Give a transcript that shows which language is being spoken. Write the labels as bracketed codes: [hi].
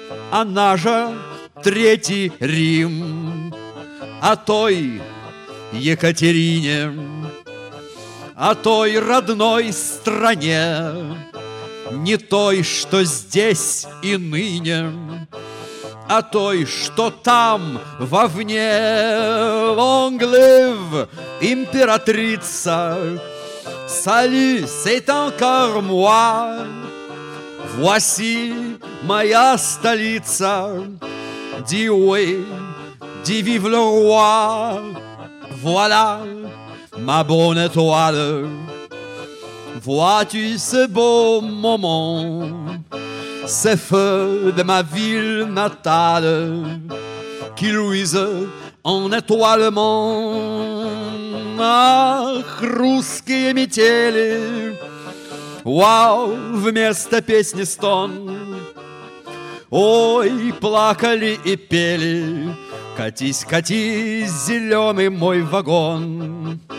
[ru] Она же Третий Рим, о той Екатерине, о той родной стране, не той, что здесь и ныне, а той, что там вовне. [en] Long live [ru] императрица, [fr] salut, c'est encore moi, voici [ru] моя столица, [fr] dis oui, dis vive le roi, voilà ma bonne étoile. Vois-tu ce beau moment, ces feux de ma ville natale qui luisent en étoilement. [ru] Ах, русские метели, вау, вместо песни стон. Ой, плакали и пели, катись, катись, зеленый мой вагон.